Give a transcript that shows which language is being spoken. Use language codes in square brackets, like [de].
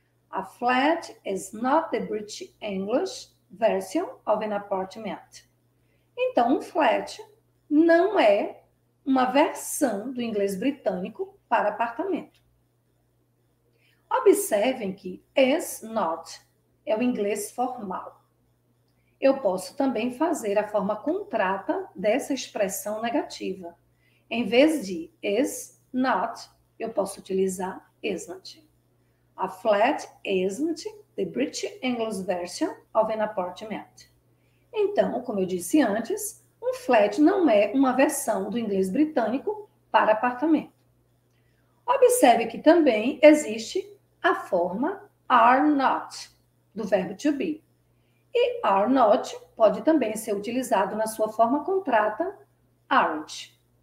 [en] A flat is not the British English version of an apartment. [pt] Então, um flat não é uma versão do inglês britânico para apartamento. Observem que is not é o inglês formal. Eu posso também fazer a forma contrata dessa expressão negativa. Em vez de is not, eu posso utilizar isn't. [en] A flat isn't the British English version of an apartment. [pt] Então, como eu disse antes, um flat não é uma versão do inglês britânico para apartamento. Observe que também existe a forma are not, do verbo to be. E are not pode também ser utilizado na sua forma contrata, aren't.